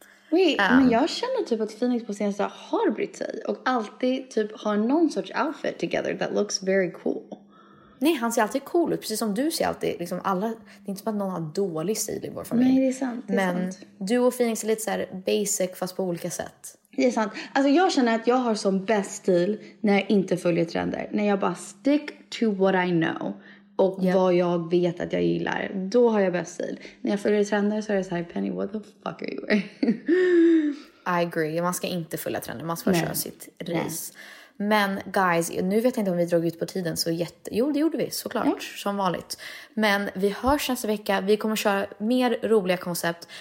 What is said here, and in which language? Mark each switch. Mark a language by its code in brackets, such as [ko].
[sv] Men jag känner typ att Phoenix på senaste har brytt sig och alltid typ har någon sorts outfit [en] together that looks very cool. [sv] Nej, han ser alltid cool ut, precis som du ser alltid liksom alla, det är inte som att någon har dålig stil i vår familj. Nej, det är sant. Du och Phoenix är lite så här basic fast på olika sätt. Det är sant. Alltså jag känner att jag har som bäst stil när jag inte följer trender. När jag bara [en] stick to what I know. [sv] Och vad jag vet att jag gillar. Då har jag bäst stil. När jag följer trender så är det så här, [en] Penny, what the fuck are you wearing? I agree. [sv] Man ska inte följa trender. Man ska bara köra sitt race. Men guys, nu vet jag inte om vi drog ut på tiden så jätte... Jo, det gjorde vi, såklart. Nej. Som vanligt. Men vi hörs nästa vecka. Vi kommer köra mer roliga koncept.